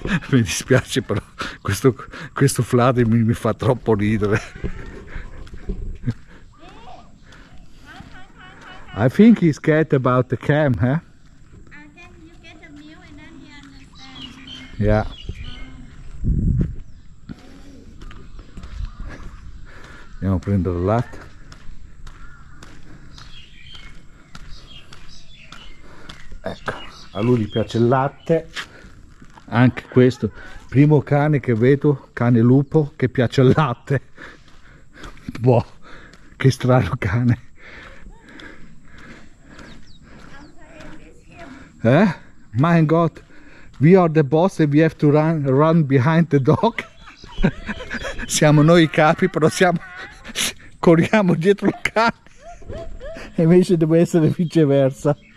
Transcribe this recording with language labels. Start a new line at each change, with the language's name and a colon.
Italian: Mi dispiace, però questo Vladimir mi fa troppo ridere.
English: I think he's scared about the cam, huh? I think you get a mute and then he understands. Yeah.
Italian: Andiamo a prendere il latte. Ecco, a lui gli piace il latte. Anche questo, primo cane che vedo, cane lupo, che piace il latte. Boh, che strano cane. Eh?
English: My God, we are the boss and we have to run behind the dog.
Italian: Siamo noi i capi, però corriamo dietro il cane. E invece deve essere viceversa.